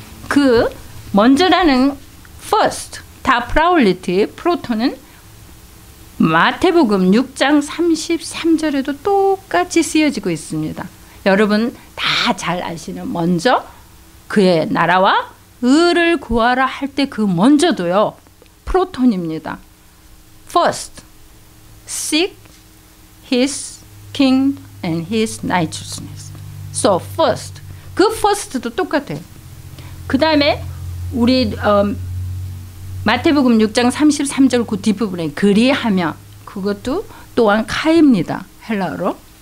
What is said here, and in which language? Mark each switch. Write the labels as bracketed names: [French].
[Korean] 그 먼저라는 first, 다 priority, 프로토는 마태복음 6장 33절에도 똑같이 쓰여지고 있습니다. 여러분 다 잘 아시는 먼저 그의 나라와 의를 구하라 할 때 그 먼저도요. 프로톤입니다. [English] First, seek his kingdom and his righteousness. So first, [Korean] 그 first도 똑같아요. 그 다음에 우리 마태복음 6장 33절 그 뒷부분에 그리하면 그것도 또한 카입니다. 헬라어로.